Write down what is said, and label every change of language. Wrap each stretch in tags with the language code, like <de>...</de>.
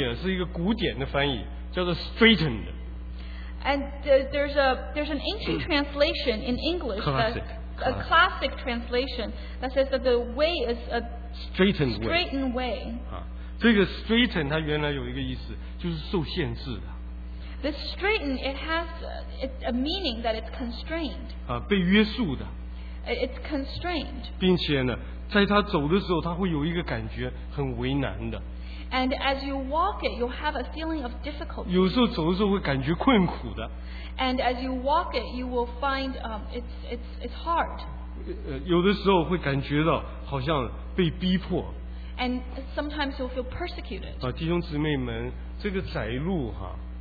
<zh>这个窄哈，有一个英文翻译，是一个古典的翻译，叫做 straightened.</zh> <en>And there's an ancient translation in English, a classic translation that says that the way is a straightened way.</en> <zh>这个 straightened 它原来有一个意思，就是受限制的。</zh> <en>This straighten, it has a meaning that it's constrained.</en> <zh>被约束的。</zh> <en>It's constrained.</en> <zh>并且呢，在他走的时候，他会有一个感觉很为难的。</zh> <en>And as you walk it, you'll have a feeling of difficulty.</en> <zh>有时候走的时候会感觉困苦的。</zh> <en>And as you walk it, you will find it's hard.</en> <zh>有的时候会感觉到好像被逼迫。</zh> <en>And sometimes you'll feel persecuted.</en> <zh>弟兄姊妹们，这个窄路哈。</zh>